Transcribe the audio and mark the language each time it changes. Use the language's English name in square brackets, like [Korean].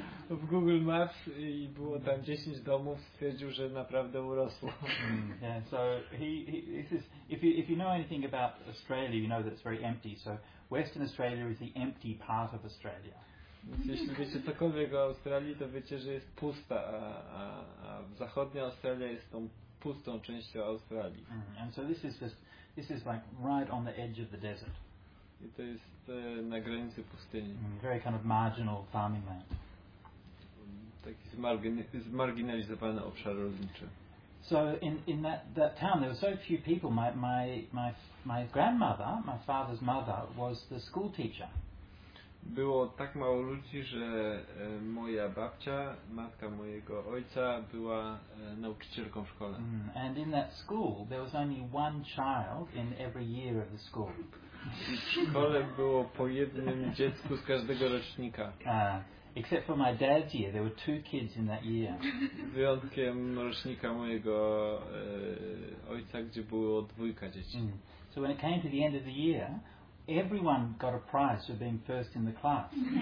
[Polish] W Google Maps i było tam 10 domów, stwierdził, że naprawdę urosło. [English] Yeah, so he says, if you know anything about Australia, you know that it's very empty, so Western Australia is the empty part of Australia. [Polish] Więc jeśli wiecie cokolwiek o Australii, to wiecie, że jest pusta, a zachodnia Australia jest tą pustą częścią Australii. [English] And so this is like right on the edge of the desert. [Polish] I to jest na granicy pustyni. [English] Very kind of marginal farming land. [Polish] Taki zmarginalizowany obszar rolniczy. [English] So in that town there were so few people. My grandmother, my father's mother, was the school teacher. [Polish] Było tak mało ludzi, że moja babcia, matka mojego ojca, była nauczycielką w szkole. [English] And in that school there was only one child in every year of the school. [Polish] W szkole było po jednym dziecku z każdego rocznika. [English] Except for my dad's year, there were two kids in that year. [Polish] Wyjątkiem rocznika mojego ojca, gdzie było dwójka dzieci. [English] So when it came to the end of the year, everyone got a prize for being first in the class.